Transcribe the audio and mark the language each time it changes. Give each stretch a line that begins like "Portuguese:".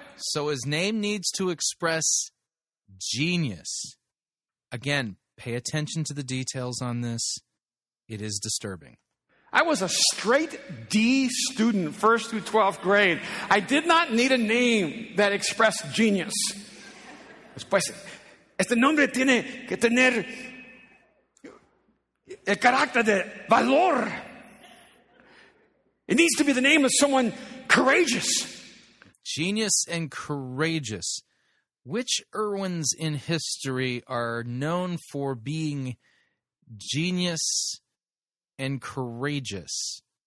English: So his name needs to express genius. Again, pay attention to the details on this. It is disturbing. I was a straight D student, first through 12th grade. I did not need a name that expressed genius.
Spanish: Después, este nombre tiene que tener el carácter de valor.
English: It needs to be the name of someone courageous. Genius and courageous. Which Erwins in history are known for being genius and courageous?